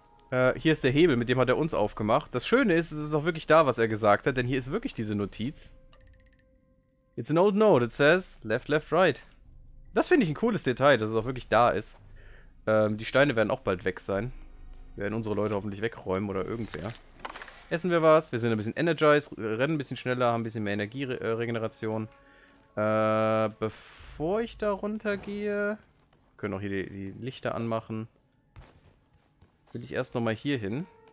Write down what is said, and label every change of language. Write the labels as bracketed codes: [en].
[de] Hier ist der Hebel, mit dem hat er uns aufgemacht. Das Schöne ist, es ist auch wirklich da, was er gesagt hat, denn hier ist wirklich diese Notiz. [en] It's an old note, it says left, left, right. [de] Das finde ich ein cooles Detail, dass es auch wirklich da ist. Die Steine werden auch bald weg sein. Werden unsere Leute hoffentlich wegräumen oder irgendwer. Essen wir was, wir sind ein bisschen energized, rennen ein bisschen schneller, haben ein bisschen mehr Energieregeneration. Bevor ich da runtergehe, können auch hier die Lichter anmachen, will ich erst nochmal hier hin.